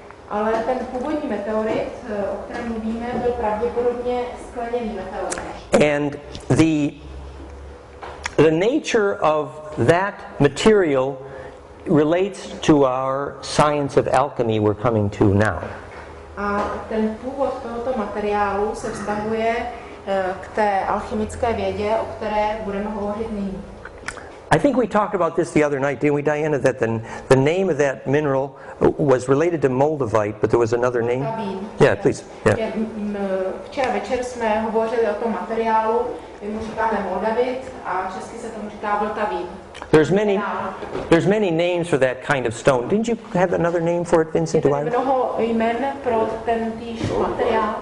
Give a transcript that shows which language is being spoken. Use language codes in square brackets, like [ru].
[cs] Ale ten původní meteorit, o kterém mluvíme, byl pravděpodobně skleněný meteorit. [en] And the nature of that material relates to our science of alchemy we're coming to now. [cs] A ten původ tohoto materiálu se vztahuje k té alchemické vědě, o které budeme hovořit nyní. [en] I think we talked about this the other night, didn't we, Diana, that the name of that mineral was related to moldavite, but there was another name? Yeah, please. Yeah. [cs] Včera večer jsme hovořili o tom materiálu, vy mu říkáte moldavit a česky se tomu říká vltavín. [en] There's many names for that kind of stone. Didn't you have another name for it, Vincent? Do I? [cs] Mnoho jmen pro ten týž materiál.